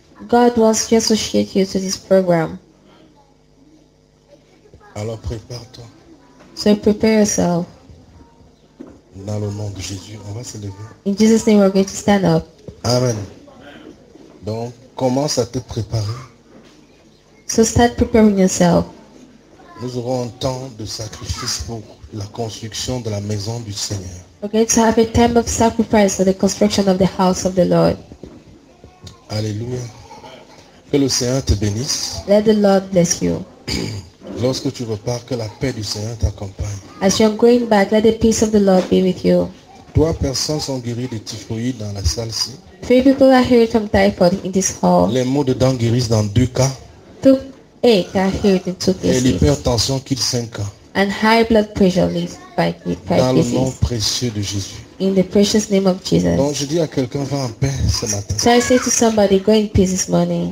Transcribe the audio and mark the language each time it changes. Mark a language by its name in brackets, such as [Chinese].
[English] God wants to associate you to this program. [French] Alors prépare-toi. [English] So prepare yourself. [French] Dans le nom de Jésus, on va se lever. [English] In Jesus' name, we're going to stand up. [French] Amen. Donc, commence à te préparer. [English] So start preparing yourself. [French] Nous aurons un temps de sacrifice pour la construction de la maison du Seigneur. [English] We're going to have a time of sacrifice for the construction of the house of the Lord. [French] Alléluia. Que le Seigneur te bénisse. [English] Let the Lord bless you. [French] Lorsque tu repars, que la paix du Seigneur t'accompagne. [English] As you're going back, let the peace of the Lord be with you. [French] Trois personnes sont guéries de typhoïde dans la salle-ci. [English] Three people are healed from typhoid in this hall. [French] Les maux de dents guérissent dans deux cas. [English] Two aches are healed in two cases. [French] Et l'hypertension quitte cinq cas. [English] And high blood pressure leaves five cases. [French] Dans le nom précieux de Jésus. [English] In the precious name of Jesus. [French] Donc je dis à quelqu'un, va en paix ce matin. [English] So I say to somebody, go in peace this morning.